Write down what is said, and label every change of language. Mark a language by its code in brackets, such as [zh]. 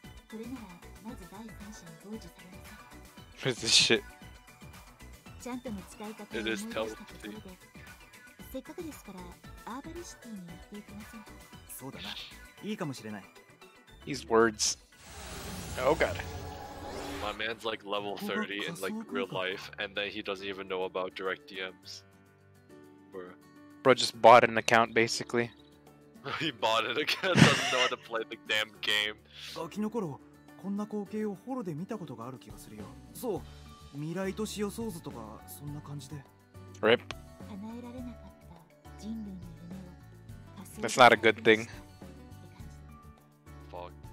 [ja] それならまず第三者に傍受されなさい。 [en] What is this shit? [ja] ちゃんとの使い方を思い出したところで、せっかくですからアーバルシティに行っていきませんか。そうだな、いいかもしれない。 [en] These words. Oh god. My man's like level 30 in like real life, and then he doesn't even know about direct DMs. Bro just bought an account basically. He bought it again, doesn't know how to play the damn game. [ja] ガキの頃、こんな光景をホロで見たことがある気がするよ。そう、未来都市予想図とか、そんな感じで。 [en] RIP. [ja] 叶えられなかった人類の夢を。 [en] That's not a good thing. Fuck.